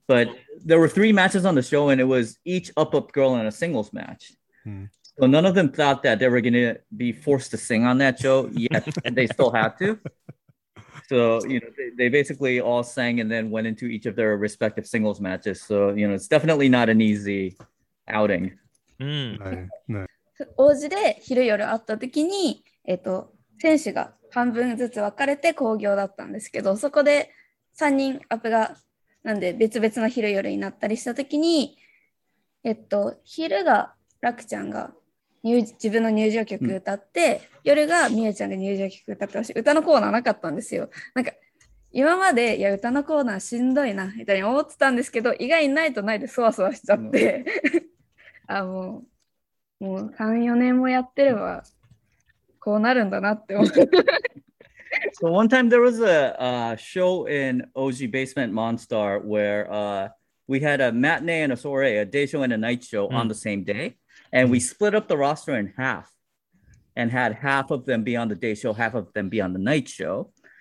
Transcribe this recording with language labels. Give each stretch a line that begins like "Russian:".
English: But there were three matches on the show and it was each up-up girl in a singles match. Mm. So none of them thought that they were going to be forced to sing on that show, yet they still had to. So, you know, they basically all sang and then went into each of their respective singles matches. So, you know, it's definitely not an easy outing. No, no.
Japanese: 王子で昼夜会った時に、選手が半分ずつ分かれて興行だったんですけど、そこで3人アップがなんで別々の昼夜になったりした時に、昼がラクちゃんが自分の入場曲歌って、夜がミュウちゃんが入場曲歌ってほしい。歌のコーナーなかったんですよ。なんか、今まで、いや、歌のコーナーしんどいな、みたいに思ってたんですけど、意外にないとないでそわそわしちゃって。あ、もう3、4年もやってれば、こうなるんだなって思って。
English: So one time there was a、show in OG Basement Monstar where、we had a matinee and a soiree, a day show and a night show、on the same day. And we split up the roster in half and had half of them be on the day show, half of them be on the night show.